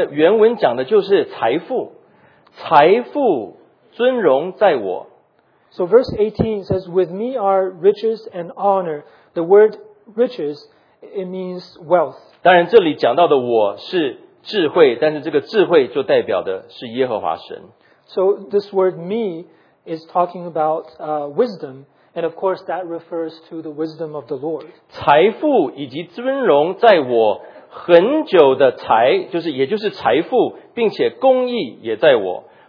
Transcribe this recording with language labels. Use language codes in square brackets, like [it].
[zh] 丰富尊荣在我。这个丰富原文讲的就是财富。财富尊荣在我。 [en] So verse 18 says, with me are riches and honor. The word riches, it means wealth. [zh] 当然这里讲到的我是智慧, 但是这个智慧就代表的是耶和华神。 [en] So this word me is talking about wisdom, and of course that refers to the wisdom of the Lord. [zh] 财富以及尊荣在我很久的财，就是也就是财富，并且公义也在我。